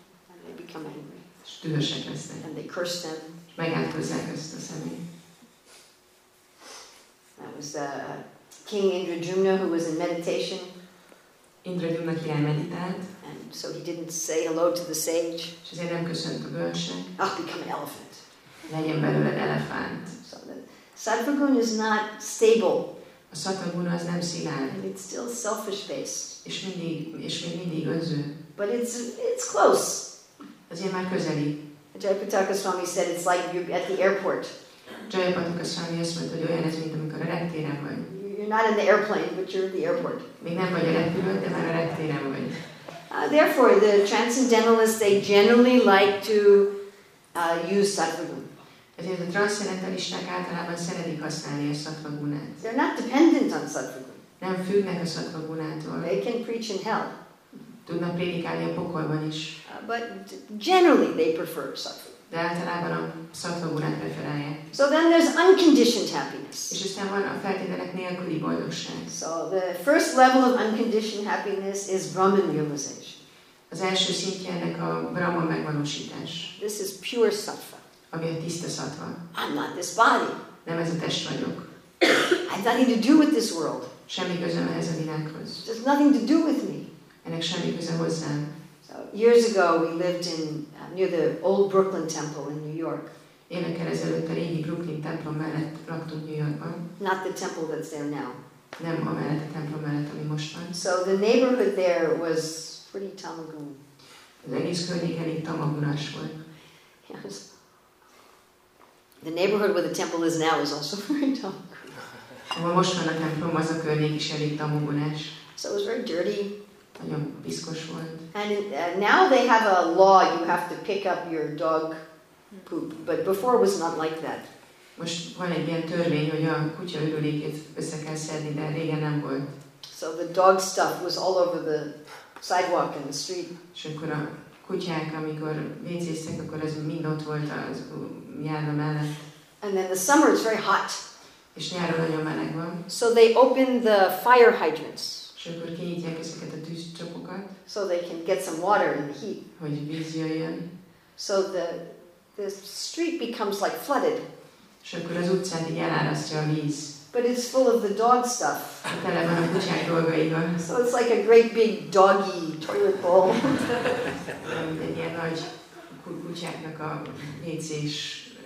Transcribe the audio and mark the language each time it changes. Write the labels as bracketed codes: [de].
[en] And they become angry. [hu] És dühösek lesznek. [en] And they curse them. [hu] Megátkozzák ezt a személy. [en] That was King Indrajumna who was in meditation. [hu] Indrajumna király meditált. [en] So he didn't say hello to the sage. [hu] És nem köszönt a bölcsnek. [en] Oh, become an elephant. [hu] Legyen belőle elefánt. [en] So the Sattvagun is not stable. [hu] A Sattvagun az nem szilárd. [en] And it's still selfish based. [hu] És még mindig önző. [en] But it's close. [hu] Azért már közeli. [en] Jayapataka Swami said it's like you're at the airport. [hu] Jayapataka Swami azt mondta, hogy olyan ez, mint amikor a reptéren vagy. [en] You're not in the airplane, but you're at the airport. [hu] Még nem vagy a repülőn, de már a reptéren vagy. [en] Therefore, the transcendentalists, they generally like to use Sattvagun. [hu] Ezért a transzcendentalisták általában szeretik használni a Sattvagunát. [en] They're not dependent on Sattvagun. [hu] Nem függnek a Sattvagunától. [en] They can preach in hell. [hu] Tudnak prédikálni a pokolban is. [en] But generally, they prefer Sattvagun. [hu] De általában a Sattvagunát preferálják. [en] So then there's unconditioned happiness. [hu] És aztán van a feltételek nélküli boldogság. [en] So the first level of unconditioned happiness is Brahman realization. [hu] Az első szintje ennek a Brahman megvalósítás. [en] This is pure sattva. [hu] Ami a tiszta sattva. [en] I'm not this body. [hu] Nem ez a test vagyok. [en] I have nothing to do with this world. [hu] Semmi közöm ehhez a világhoz. [en] There's nothing to do with me. [hu] Ennek semmi köze hozzám. [en] So years ago we lived in near the old Brooklyn Temple in New York. [hu] Évekkel ezelőtt a régi Brooklyn templom mellett laktunk New Yorkban. [en] Not the temple that's there now. [hu] Nem a mellett a templom mellett, ami most van. [en] So the neighborhood there was pretty tamagun. [hu] Az egész környék elég tamagunás volt. [en] Yes. The neighborhood where the temple is now is also very tamagun. [hu] Ahol most van a templom, az a környék is elég tamagunás. [en] So it was very dirty. [hu] Nagyon piszkos volt. [en] And now they have a law, you have to pick up your dog poop, but before it was not like that. [hu] Most van egy ilyen törvény, hogy a kutya ürülékét össze kell szedni, de régen nem volt. [en] So the dog stuff was all over the sidewalk and the street. [hu] És akkor a kutyák, amikor vécéztek, akkor ez mind ott volt az járda mellett. [en] And then the summer is very hot. [hu] És nyáron nagyon meleg van. [en] So they open the fire hydrants. [hu] És akkor kinyitják ezeket a tűzcsapokat. [en] So they can get some water in the heat. [hu] Hogy víz jöjjön. [en] So the street becomes like flooded. [hu] És akkor az utcát így elárasztja a víz. [en] But it's full of the dog stuff. [hu] A tele van a kutyák dolgaival. [en] So it's like a great big doggy toilet bowl. [hu] Egy ilyen nagy kutyáknak a WC-s